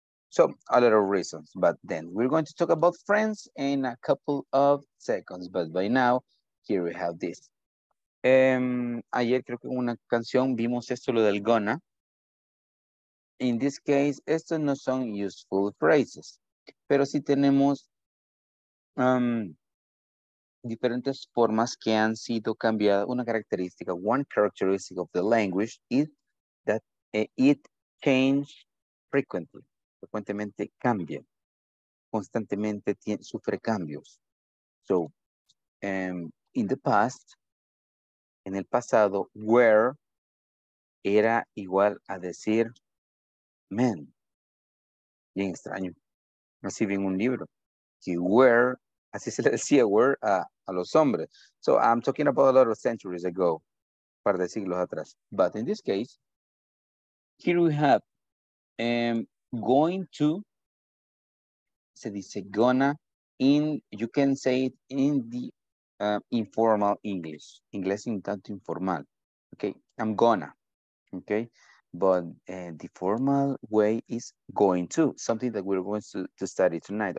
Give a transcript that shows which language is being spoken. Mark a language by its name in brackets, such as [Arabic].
[English] So, a lot of reasons, but then we're going to talk about friends in a couple of seconds. But by now, here we have this. [Spanish] Ayer creo que en una canción vimos esto, lo del gonna. [English] In this case, [Spanish] estos no son [English] useful phrases, [Spanish] pero sí tenemos diferentes formas que han sido cambiadas. Una característica, [English] one characteristic of the language is that it changed frecuently. [Spanish] Frecuentemente cambia, constantemente sufre cambios. [English] So, in the past, [Spanish] en el pasado, were era igual a decir men. Bien extraño. Así vi en un libro. Que were, así se le decía were a los hombres. [English] So, I'm talking about a lot of centuries ago, [Spanish] par de siglos atrás. [English] But in this case, here we have going to, [Spanish] se dice [English] gonna, you can say it in the informal English. [Spanish] Inglés un tanto informal. [English] Okay, I'm gonna. Okay, but the formal way is going to, something that we're going to study tonight.